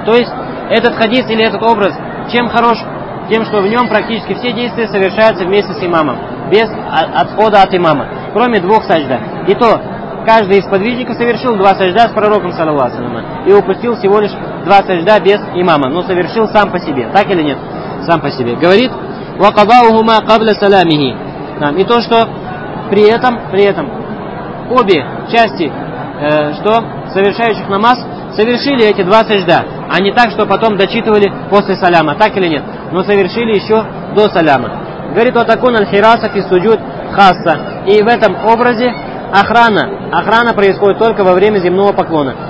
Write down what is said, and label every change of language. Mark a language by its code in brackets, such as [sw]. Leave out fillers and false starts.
[ru] То есть этот хадис или этот образ чем хорош? Тем, что в нем практически все действия совершаются вместе с имамом, без отхода от имама, кроме двух сажда. И то, каждый из сподвижников совершил два сажда с пророком саллаллаху алейхи ва саллям и упустил всего лишь два сажда без имама, но совершил сам по себе. Так или нет? Сам по себе. [ar] Говорит, وَقَضَاهُمَا قَبْلَ سَلَامِهِ. [ru] И то, что при этом обе части, совершающих намаз, совершили эти два сажда, а не так, что потом дочитывали после саляма, так или нет, но совершили еще до саляма. Говорит, [ar] «Отакун аль-хираса фи суджуд хасса». [ru] И в этом образе охрана происходит только во время земного поклона.